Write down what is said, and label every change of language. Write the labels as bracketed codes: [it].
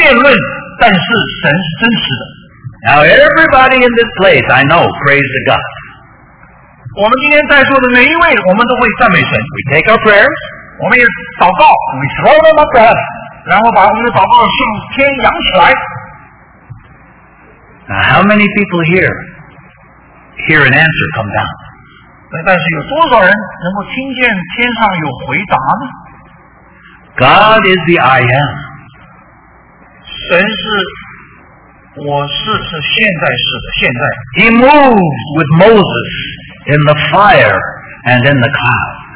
[zh] 你就知道在他们的身上，他们的神是今天活着的神，他们可以跟神有对话、有交通、有辩论，但是神是真实的。 [en] Now everybody in this place, I know, praise the God. [zh] 我们今天在座的每一位，我们都会赞美神。 [en] We take our prayers, [zh] 我们也祷告。 [en] We throw them up to heaven, [zh] 然后把我们的祷告向天扬起来。 [en] Now how many people here hear an answer come down? [zh] 但是有多少人能够听见天上有回答呢? [en] God is the I am. [zh] 神是我是是现在是的现在。 [en] He moves with Moses in the fire and in the cloud.